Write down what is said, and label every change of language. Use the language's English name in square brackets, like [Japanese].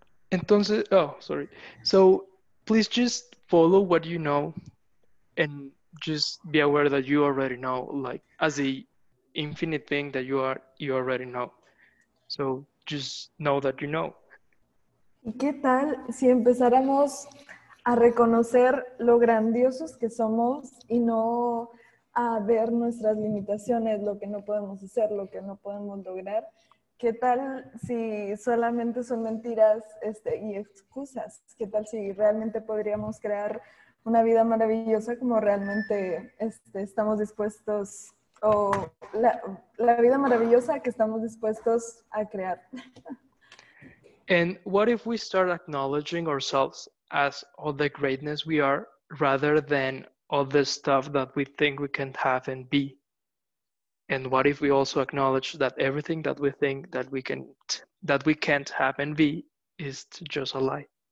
[Spanish] Entonces, [English] So, please just follow what you know and just be aware that you already know, like, as the infinite thing that you are, you already know. So, just know that you know. [Spanish] ¿Y qué tal si empezáramos a reconocer lo grandiosos que somos y no a ver nuestras limitaciones, lo que no podemos hacer, lo que no podemos lograr? ¿Qué tal si solamente son mentiras y excusas? ¿Qué tal si realmente podríamos crear una vida maravillosa como realmente estamos dispuestos, o la vida maravillosa que estamos dispuestos a crear? [English] And what if we start acknowledging ourselves as all the greatness we are, rather than all the stuff that we think we can have and be? And what if we also acknowledge that everything that we think that we can, that we can't have and be, is just a lie?